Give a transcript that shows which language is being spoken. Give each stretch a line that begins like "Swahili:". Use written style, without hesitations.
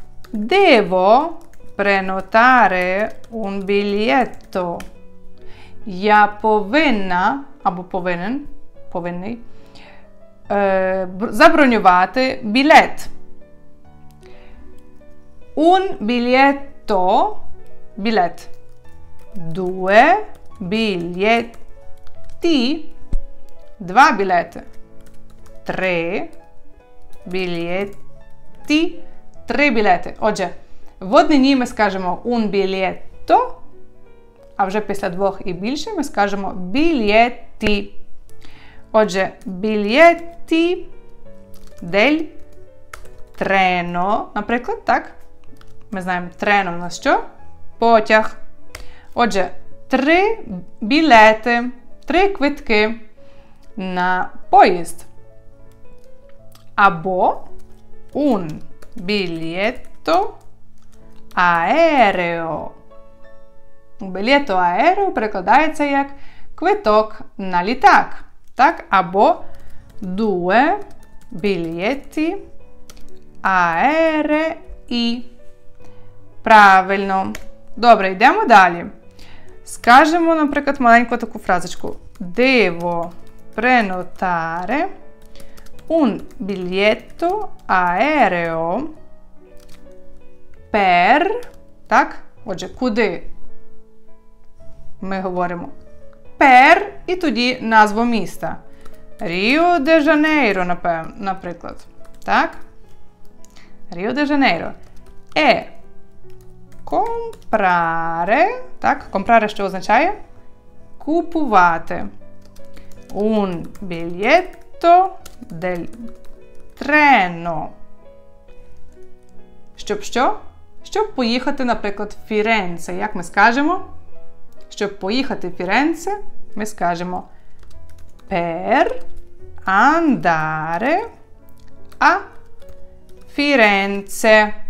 Italian: «Devo prenotare un biglietto».
Ukrainian: «Я повинна» або «повинний» «забронювати білет».
Italian: «Un biglietto»
Ukrainian: «білет».
Italian: «Due biglietti»
Ukrainian: «два білети».
Italian: «Tre biglietti»
Ukrainian: «три білети». Отже, в однині ми скажемо
Italian: «un biglietto»,
Ukrainian: а вже після двох і більше ми скажемо
Italian: «biglietti».
Ukrainian: Отже,
Italian: «biglietti del treno»,
Ukrainian: наприклад, так? Ми знаємо, «treno» у нас що? Потяг. Отже, «три білети», «три квитки» на поїзд.
Italian: Або «un biglietto aereo». «Biglietto aereo»
Ukrainian: перекладається як «квиток на літак», так?
Italian: Або «due biglietti aerei».
Ukrainian: Правильно. Добре, йдемо далі. Скажемо, наприклад, маленьку таку фразочку.
Italian: «Devo prenotare un biglietto aereo per…»
Ukrainian: Так? Отже, куди ми говоримо?
Italian: «Per»
Ukrainian: і тоді назву міста. «Ріо-де-Жанейро», наприклад. Так? «Ріо-де-Жанейро».
Italian: «E comprare…»
Ukrainian: Так?
Italian: «Comprare»
Ukrainian: що означає? «Купувати».
Italian: «Un biglietto del treno».
Ukrainian: Щоб що? Щоб поїхати, наприклад, в Фіренце. Як ми скажемо? Щоб поїхати в Фіренце, ми скажемо
Italian: «per andare a Firenze».